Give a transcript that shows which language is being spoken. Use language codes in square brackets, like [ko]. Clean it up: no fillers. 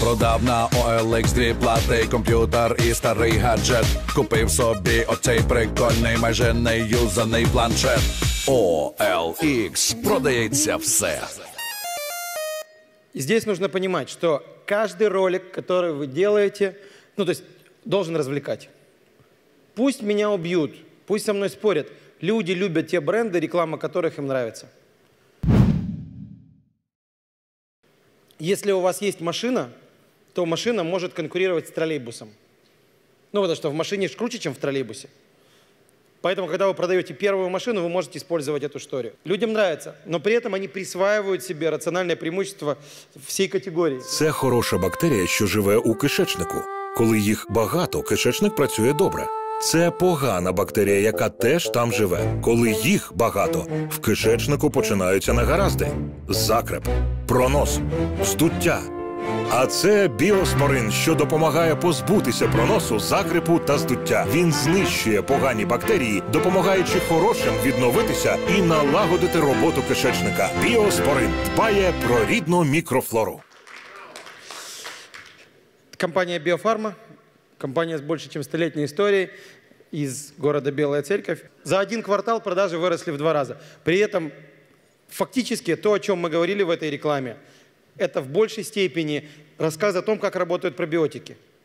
[uk] Продав на OLX 2 плати, комп'ютер і старий гаджет. Купив собі оцей прикольний, майже не юзаний планшет. OLX продається все. [ru] І здесь нужно понимать, что каждый ролик, который вы делаете, ну, то есть, должен развлекать. Пусть меня убьют, пусть со мной спорят. Люди любят те бренды, реклама которых им нравится. Если у вас есть машина, то машина может конкурировать с троллейбусом. Ну, потому что в машине круче, чем в троллейбусе. Поэтому, когда вы продаете первую машину, вы можете использовать эту историю. Людям нравится, но при этом они присваивают себе рациональное преимущество всей категории. [uk] Це хороша бактерія, що живе у кишечнику. Коли їх багато, кишечник працює добре. Це погана бактерія, яка теж там живе. Коли їх багато, в кишечнику починаються негаразди. Закреп, пронос, здуття. А це біоспорин, що допомагає позбутися проносу, закрепу та здуття. Він знищує погані бактерії, допомагаючи хорошим відновитися і налагодити роботу кишечника. Біоспорин дбає про рідну мікрофлору. Компанія «Біофарма». [ru] Компания с больше, чем 100-летней историей, из города Белая Церковь. За 1 квартал продажи выросли в 2 раза. При этом фактически то, о чем мы говорили в этой рекламе, это в большей степени рассказ о том, как работают пробиотики.